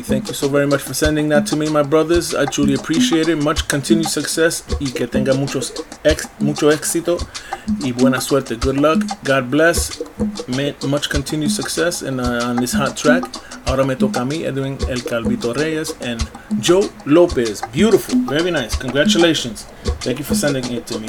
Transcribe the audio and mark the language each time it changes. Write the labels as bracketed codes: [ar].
[en] Thank you so very much for sending that to me, my brothers. I truly appreciate it. Much continued success, [es] y que tenga mucho éxito, y buena suerte. [en] Good luck, God bless. Much continued success on this hot track. Ahora Me Toca Me, Edwin El Calvito Reyes and Joe Lopez. Beautiful, very nice. Congratulations. Thank you for sending it to me.